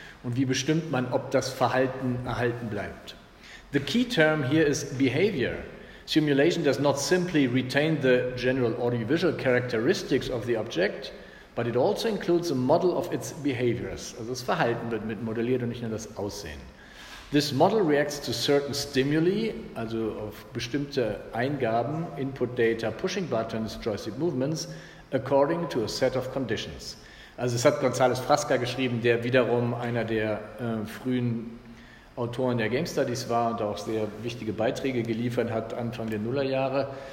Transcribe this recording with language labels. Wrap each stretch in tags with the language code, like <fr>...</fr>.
<de>Und wie bestimmt man, ob das Verhalten erhalten bleibt?</de> <en>The key term here is behavior. Simulation does not simply retain the general audiovisual characteristics of the object, but it also includes a model of its behaviors.</en> <de>Also das Verhalten wird mit modelliert und nicht nur das Aussehen.</de> <en>This model reacts to certain stimuli,</en> <de>also auf bestimmte Eingaben,</de> <en>input data, pushing buttons, joystick movements, according to a set of conditions.</en> <de>Also es hat González Frasca geschrieben, der wiederum einer der frühen Autoren der Game Studies war und auch sehr wichtige Beiträge geliefert hat Anfang der Nullerjahre.</de>